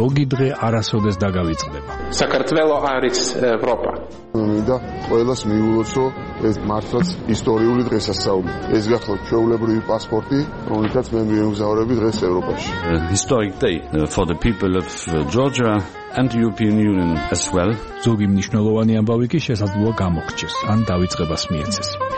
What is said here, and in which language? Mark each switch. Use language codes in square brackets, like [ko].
[ka] დღე არასოდეს დაგავიწყდება. საქართველოს არის ევროპა. მინდა ყოველას მიულოცო ეს მართლაც ისტორიული დღესასწაული. ეს გახლავთ ჩვეულებრივი პასპორტი, რომელიც მე მიემგზავრები დღეს ევროპაში. [en] Historic day for the people of Georgia and European Union as well. [ka] ზოგი მნიშვნელოვანი ამბავი კი შესაძლოა გამოხდეს ან დაიწყებას მიეცეს.